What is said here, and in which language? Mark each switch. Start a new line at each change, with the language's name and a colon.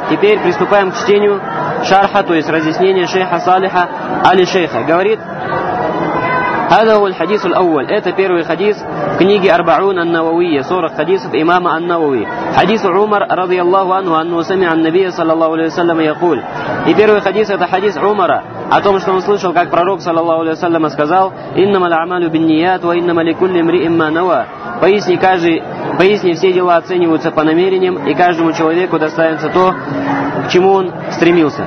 Russian: Теперь приступаем к чтению шарха, то есть разъяснения шейха Салиха али шейха. Говорит,
Arabic: هذا هو الحديث الأول.
Russian: Это первый хадис в книге Арбаун ан-Нававия, 40 хадисов имама ан-Навави.
Arabic: Хадису Умар, رضي الله عنه, أنه سمع النبي صلى الله عليه وسلم يقول.
Russian: И первый хадис это хадис Умара. О том, что он слышал, как пророк, саллаллаху алейхи ва саллям, сказал
Arabic: «Иннама ла'амалю бинният, ва иннама ли кулли мриим ма нава».
Russian: Поясни, все дела оцениваются по намерениям, и каждому человеку достанется то, к чему он стремился.